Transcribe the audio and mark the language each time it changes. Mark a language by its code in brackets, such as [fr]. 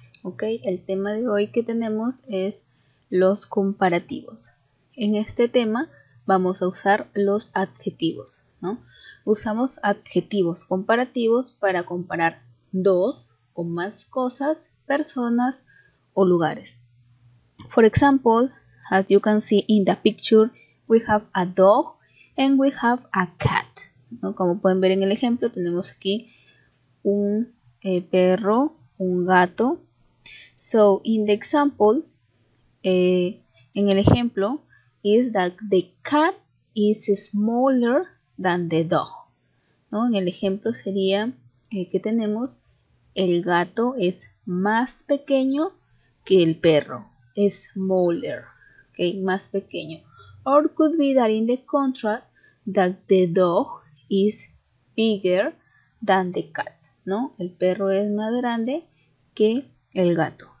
[es] Okay, el tema de hoy que tenemos es los comparativos. En este tema vamos a usar los adjetivos, ¿no? Usamos adjetivos comparativos para comparar dos o más cosas, personas o lugares. [en] For example, as you can see in the picture, we have a dog and we have a cat, ¿no? [es] Como pueden ver en el ejemplo, tenemos aquí un perro, un gato. [en] So, in the example, [es] en el ejemplo, [en] is that the cat is smaller than the dog, ¿no? [es] En el ejemplo sería que tenemos el gato es más pequeño que el perro, smaller, okay, más pequeño. [en] Or could be that in the contrast that the dog is bigger than the cat, ¿no? [es] El perro es más grande que el gato.